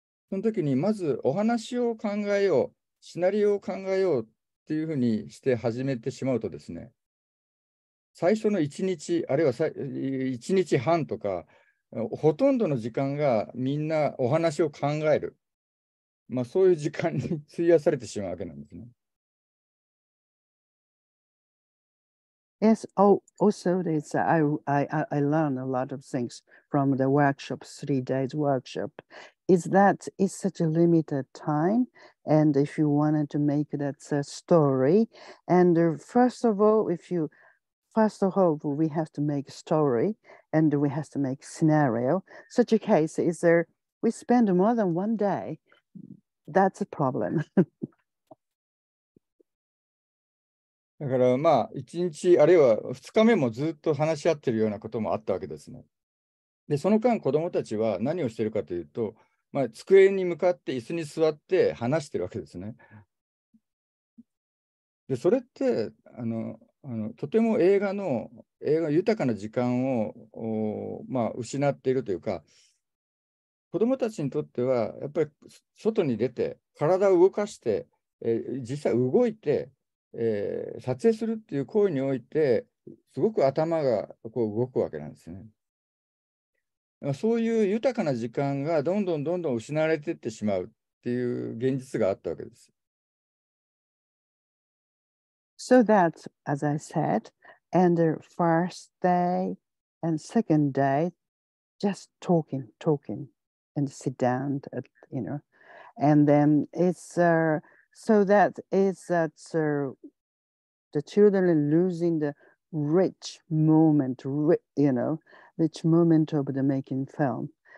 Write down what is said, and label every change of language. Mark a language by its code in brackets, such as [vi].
[ja] その時にまずお話を考えよう、シナリオを考えようっていうふうにして始めてしまうとですね、最初の1日、あるいは1日半とか、ほとんどの時間がみんなお話を考える、まあ、そういう時間に費やされてしまうわけなんですね。 [en] Yes, also this, I learned a lot of things from the workshop, 3 days workshop. Is that it's such a limited time, and if you wanted to make that a story, and first of all, we have to make a story, and we have to make a scenario. Such a case is there, we spend more than 1 day, that's a problem. [ja] だからまあ1日あるいは2日目もずっと話し合ってるようなこともあったわけですね。でその間子どもたちは何をしてるかというと、まあ、机に向かって椅子に座って話してるわけですね。でそれってとても映画豊かな時間を、まあ、失っているというか、子どもたちにとってはやっぱり外に出て体を動かして、実際動いて撮影するっていう行為においてすごく頭がこう動くわけなんですね。そういう豊かな時間がどんどんどんどん失われていってしまうっていう現実があったわけです。 [en] So that, as I said, and the first day and second day, just talking, and sit down, you know. And then it's so that is that the children are losing the rich moment of the making film.